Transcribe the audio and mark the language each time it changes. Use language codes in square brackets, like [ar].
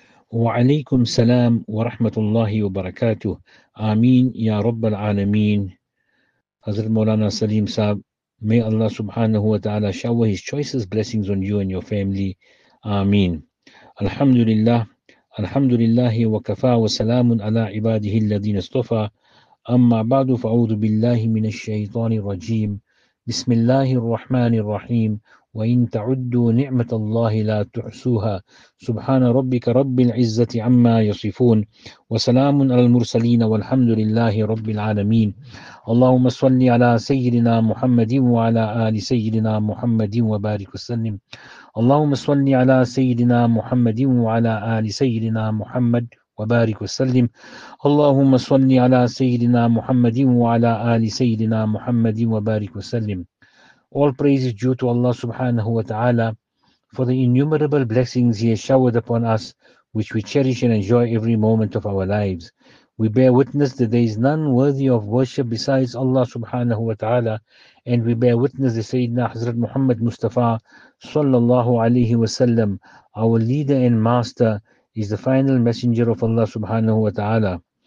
[ar] وعليكم السلام ورحمة الله وبركاته. آمين يا رب العالمين. [en] حضرت مولانا سليم صاحب, may Allah [ar] سبحانه وتعالى [en] shower his choicest blessings on you and your family. [ar] آمين. الحمد لله, الحمد لله وكفى وسلام على عباده الذين اصطفى. أما بعد, فأعوذ بالله من الشيطان الرجيم. بسم الله الرحمن الرحيم. وإن تعدوا نعمة الله لا تحصوها, سبحان ربك رب العزة عما يصفون, وسلام على المرسلين, والحمد لله رب العالمين. اللهم صل على سيدنا محمد وعلى آل سيدنا محمد وبارك وسلم. اللهم صل على سيدنا محمد وعلى آل سيدنا محمد وبارك وسلم. اللهم صل على سيدنا محمد وعلى آل سيدنا محمد وبارك وسلم. [en] All praise is due to Allah subhanahu wa ta'ala for the innumerable blessings He has showered upon us, which we cherish and enjoy every moment of our lives. We bear witness that there is none worthy of worship besides Allah subhanahu wa ta'ala, and we bear witness that Sayyidina Hazrat Muhammad Mustafa sallallahu alayhi wa sallam, our leader and master, is the final messenger of Allah subhanahu wa ta'ala.